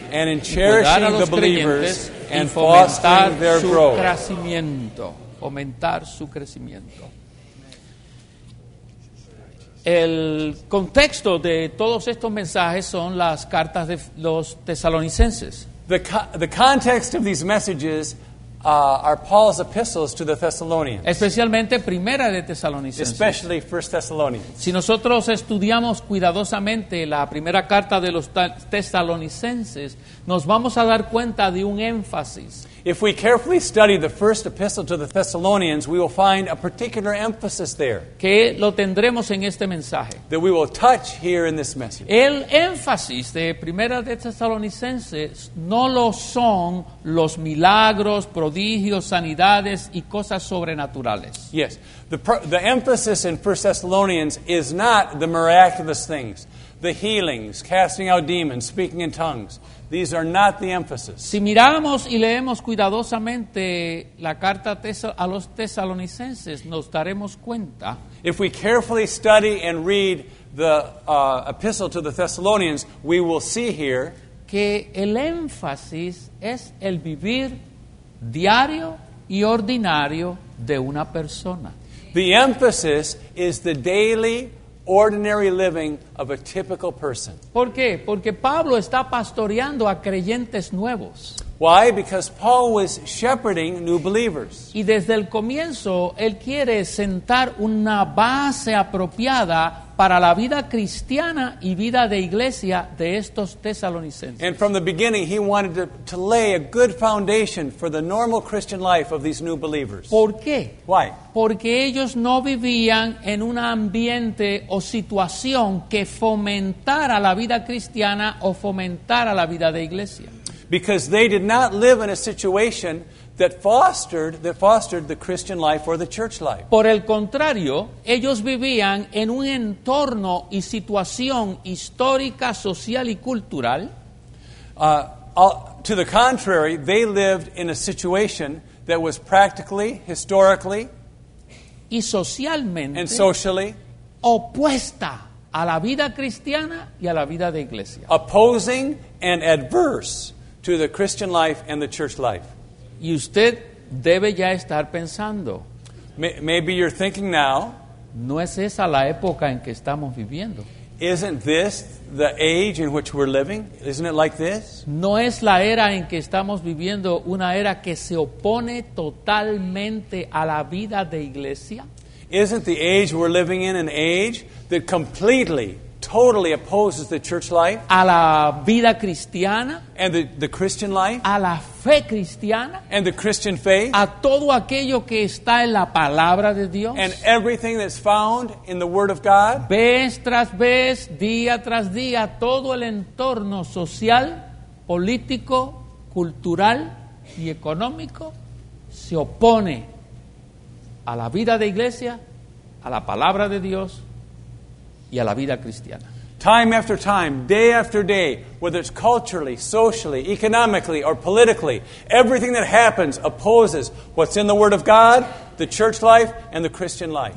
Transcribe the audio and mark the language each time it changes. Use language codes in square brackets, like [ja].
[en] and in cherishing the believers, and fostering their growth. [es] Fomentar su crecimiento. El contexto de todos estos mensajes son las cartas de los Tesalonicenses. [en] The context of these messages are Paul's epistles to the Thessalonians. [es] Especialmente Primera de Tesalonicenses. [en] Especially First Thessalonians. [es] Si nosotros estudiamos cuidadosamente la primera carta de los Tesalonicenses, nos vamos a dar cuenta de un énfasis. [en] If we carefully study the first epistle to the Thessalonians, we will find a particular emphasis there. [es] Que lo tendremos en este mensaje. [en] That we will touch here in this message. [es] El énfasis de Primera de Tesalonicenses no lo son los milagros, prodigios, sanidades y cosas sobrenaturales. [en] Yes. The emphasis in First Thessalonians is not the miraculous things, the healings, casting out demons, speaking in tongues. These are not the emphasis. [es] Si miramos y leemos cuidadosamente la carta a los Tesalonicenses, nos daremos cuenta. [en] If we carefully study and read the epistle to the Thessalonians, we will see here [es] que el énfasis es el vivir diario y ordinario de una persona. [en] The emphasis is the daily, ordinary living of a typical person. [es] ¿Por qué? Porque Pablo está pastoreando a creyentes nuevos. [en] Why? Because Paul was shepherding new believers. [es] Y desde el comienzo, él quiere sentar una base apropiada para la vida cristiana y vida de iglesia de estos tesalonicenses. [en] And from the beginning, he wanted to lay a good foundation for the normal Christian life of these new believers. [es] ¿Por qué? [en] Why? [es] Porque ellos no vivían en un ambiente o situación que fomentara la vida cristiana o fomentara la vida de iglesia. [en] Because they did not live in a situation that fostered the Christian life or the church life. [es] Por el contrario, ellos vivían en un entorno y situación histórica, social y cultural. [en] To the contrary, they lived in a situation that was practically, historically, [es] y socialmente, [en] and socially, [es] opuesta a la vida cristiana y a la vida de iglesia. [en] Opposing and adverse to the Christian life and the church life. [es] Y usted debe ya estar pensando. [en] Maybe you're thinking now. [es] ¿No es esa la época en que estamos viviendo? [en] Isn't this the age in which we're living? Isn't it like this? [es] ¿No es la era en que estamos viviendo una era que se opone totalmente a la vida de iglesia? [en] Isn't the age we're living in an age that completely, totally opposes the church life? [es] A la vida cristiana. [en] And the Christian life. [es] A la fe cristiana. [en] And the Christian faith. [es] A todo aquello que está en la palabra de Dios. [en] And everything that's found in the Word of God. [es] Vez tras vez, día tras día, todo el entorno social, político, cultural y económico se opone a la vida de iglesia, a la palabra de Dios y a la vida cristiana. [en] Time after time, day after day, whether it's culturally, socially, economically, or politically, everything that happens opposes what's in the Word of God, the church life, and the Christian life.